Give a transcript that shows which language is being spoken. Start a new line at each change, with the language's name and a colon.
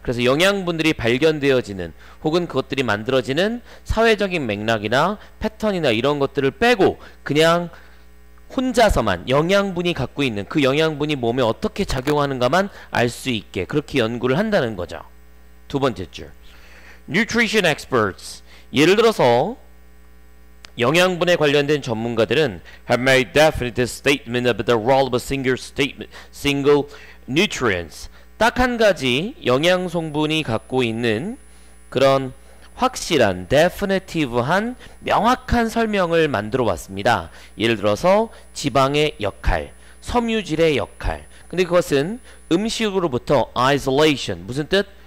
Korean: 그래서 영양분들이 발견되어지는 혹은 그것들이 만들어지는 사회적인 맥락이나 패턴이나 이런 것들을 빼고 그냥 혼자서만 영양분이 갖고 있는 그 영양분이 몸에 어떻게 작용하는가만 알 수 있게 그렇게 연구를 한다는 거죠. 두 번째 줄, nutrition experts. 예를 들어서 영양분에 관련된 전문가들은
English: have made definite statement about the role of a single statement, single nutrients.
Korean: 딱 한 가지 영양 성분이 갖고 있는 그런 확실한 definitive한 명확한 설명을 만들어 왔습니다. 예를 들어서 지방의 역할, 섬유질의 역할. 근데 그것은 음식으로부터 isolation, 무슨 뜻?